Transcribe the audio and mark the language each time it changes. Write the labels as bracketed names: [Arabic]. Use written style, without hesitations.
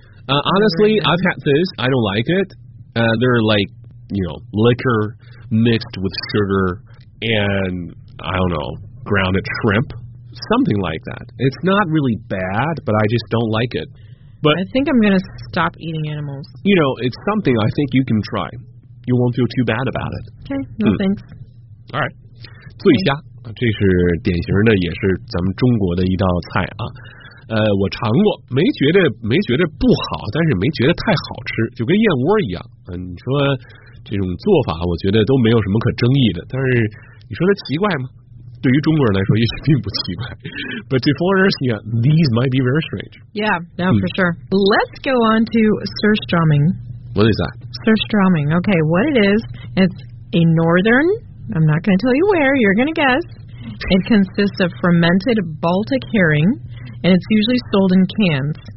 [English] Honestly, I've had this, I don't like it. They're like, you know, liquor mixed with sugar, and I don't know, grounded shrimp. Something like that. It's not really bad, but I just don't like it. But I think I'm going to stop eating animals. You know, it's something I think you can try. You won't feel too bad about it. Okay, no thanks. All right. 醉虾 okay. [Chinese] 这是典型的也是咱们中国的一道菜啊。我尝过没觉得不好但是没觉得太好吃就跟燕窝一样。你说这种做法我觉得都没有什么可争议的但是你说它奇怪吗对于中国人来说也许并不奇怪。 [English] But to foreigners, yeah, these might be very strange. Yeah, yeah, for sure. Let's go on to surströmming. What is that? Surströmming. Okay, what it is, it's a northern, I'm not going to tell you where, you're going to guess. It consists of fermented Baltic herring, and it's usually sold in cans.